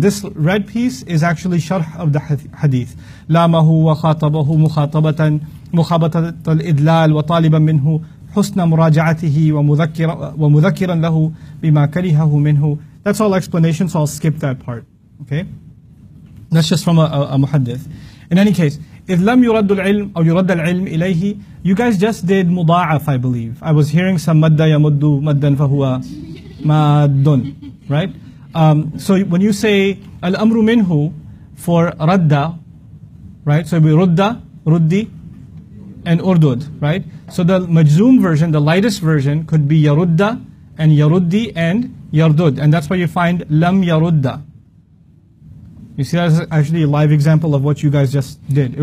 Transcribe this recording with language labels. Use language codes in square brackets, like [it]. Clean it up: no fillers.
[en] This red piece is actually sharh of the hadith. [ar] لَامَهُ وَخَاطَبَهُ مُخَاطَبَةً مُخَاطَبَةَ الْإِدْلَالِ وَطَالِبًا مِنْهُ حُسْنَ مُرَاجَعَتِهِ وَمُذَكِّرًا لَهُ بِمَا كَرِهَهُ مِنْهُ. [en] That's all explanation, so I'll skip that part. Okay? That's just from a muhaddith. In any case, [ar] إِذْ لَمْ يُرَدُّ الْعِلْمُ أَوْ يُرَدَّ الْعِلْمُ إِلَيْهِ. [en] You guys just did mudaaf, I believe. I was hearing some [ar] مَدَّ يَمُدُّ مَدًّا فَهُوَ مَدٌّ. [en] Right? So when you say [ar] الْأَمْرُ مِنْهُ [en] for رَدَّ, right? So it would be رُدَّ, رُدِّ, and أُرْدُد, right? So the majzoom version, the lightest version, could be يَرُدَّ and يَرُدِّ and يَرْدُد. And that's why you find لَمْ يَرُدَّ. You see, that's actually a live example of what you guys just did.